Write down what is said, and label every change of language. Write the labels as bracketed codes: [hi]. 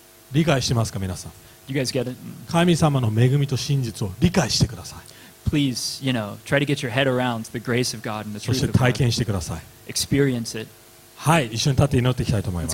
[ja] 理解してますか皆さん。 [en] You guys get it? [ja] 神様の恵みと真実を理解してください。 [en] Please, you know, try to get your head around the grace of God and the truth of God. [ja] そして体験してください。 [en] Experience it. [ja] はい、一緒に立って祈っていきたいと思います。